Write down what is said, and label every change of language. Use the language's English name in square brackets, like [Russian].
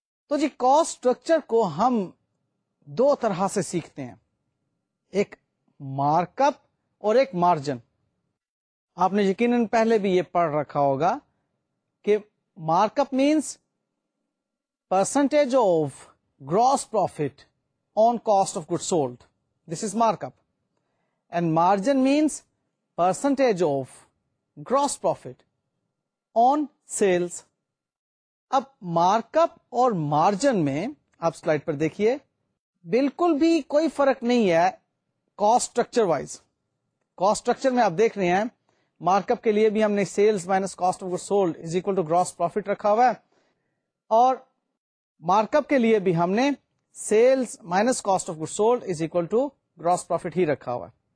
[Urdu] تو جی، cost structure کو ہم دو طرح سے سیکھتے ہیں، ایک مارک اپ اور ایک مارجن. آپ نے یقیناً پہلے بھی یہ پڑھ رکھا ہوگا کہ mark up [English] Means percentage of gross profit on cost of goods sold. This is markup. And margin means percentage of gross profit on sales. [Urdu] اب markup اور margin میں آپ slide پر دیکھیے، بالکل بھی کوئی فرق نہیں ہے cost structure wise. Cost structure میں آپ دیکھ رہے ہیں، markup کے لیے بھی ہم نے [English] sales minus cost of goods sold is equal to gross profit [Urdu] رکھا ہوا ہے، اور مارک اپ کے لیے بھی ہم نے [English] sales minus cost of good sold is equal to gross profit [Urdu] ہی رکھا ہوا.